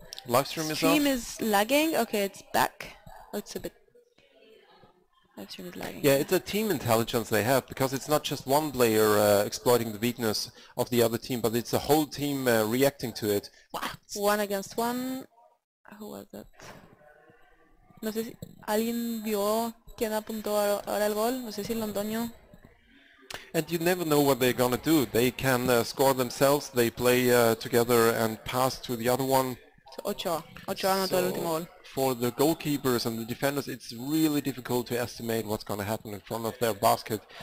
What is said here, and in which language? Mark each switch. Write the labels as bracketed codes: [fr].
[en] live stream is off? Stream is lagging. Okay, it's back. Oh, it's a bit... Live stream is lagging. Yeah, it's a team intelligence they have, because it's not just one player exploiting the weakness of the other team, but it's a whole team reacting to it. One against one. Who was that? [es] No sé si alguien vio quien apuntó ahora el gol. No sé si Londoño. [en] And you never know what they're gonna do. They can score themselves. They play together and pass to the other one. [es] So Ochoa anotó el último gol. [en] For the goalkeepers and the defenders, it's really difficult to estimate what's going to happen in front of their basket.